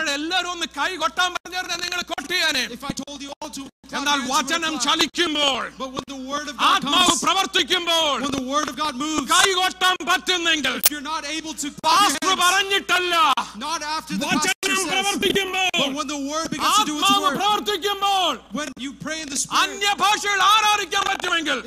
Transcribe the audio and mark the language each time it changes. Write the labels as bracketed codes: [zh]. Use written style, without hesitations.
[ml] ഇപ്പോൾ എല്ലാവരും ഒന്ന് കൈ കൊട്ടാൻ പറഞ്ഞാൽ നിങ്ങൾ കൊട്ടിയേനെ. [en] If I told you all to clap. [ml] എന്നാൽ വചനം ചലിക്കുമ്പോൾ, [en] but when the word of God comes, [ml] ആത്മാവ് പ്രവർത്തിക്കുമ്പോൾ, [en] when the word of God moves, [ml] കൈ കൊട്ടാൻ പറ്റുന്നെങ്കിൽ, [en] if you're not able to clap your hands, [ml] pastor പറഞ്ഞിട്ടല്ല, [en] not after the pastor says, [ml] വചനം പ്രവർത്തിക്കുമ്പോൾ, [en] but when the word begins to do its work, [ml] ആത്മാവ് പ്രവർത്തിക്കുമ്പോൾ, [en] when you pray in the spirit, [ml] അന്യഭാഷയിൽ ആരാധിക്കാൻ പറ്റുമെങ്കിൽ,